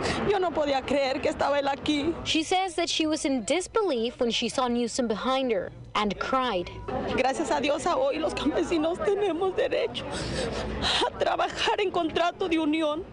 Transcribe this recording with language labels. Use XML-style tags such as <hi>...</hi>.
<es>Yo no podía creer que estaba él aquí.</es> <en>She says that she was in disbelief when she saw Newsom behind her and cried.</en> <es>Gracias a Dios, hoy los campesinos tenemos derecho a trabajar en contrato de unión.</es>